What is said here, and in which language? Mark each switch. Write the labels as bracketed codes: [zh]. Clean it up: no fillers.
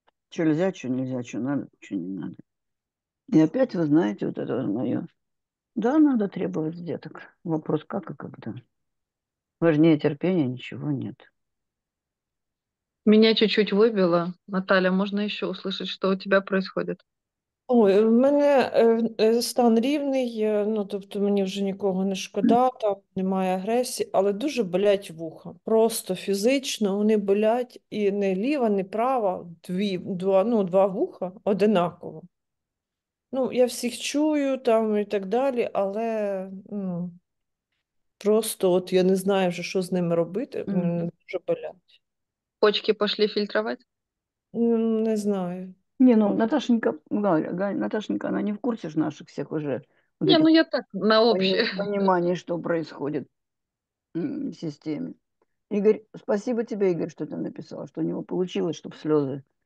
[ru] Что нельзя, что нельзя, что надо, что не надо. И опять вы знаете вот это вот мое. Да, надо требовать деток. Вопрос как и когда. Важнее терпения ничего нет. Меня чуть-чуть выбило. Наталья, можно еще услышать, что у тебя происходит? [uk] Ой, у мене стан рівний, ну, тобто мені вже нікого не шкода, там немає агресії, але дуже болять вуха. Просто фізично вони болять і не ліва, не права, два вуха одинаково. Ну, я всіх чую там і так далі, але ну, просто от я не знаю вже, що з ними робити, мене дуже болять. Почки пішли фільтрувати? Не знаю. [ru] Не, ну, Наташенька, Галя, Наташенька, она не в курсе же наших всех уже. Не, ну я так, на общее. Понимание, что происходит в системе. Игорь, спасибо тебе, Игорь, что ты написал, что у него получилось, чтобы слезы.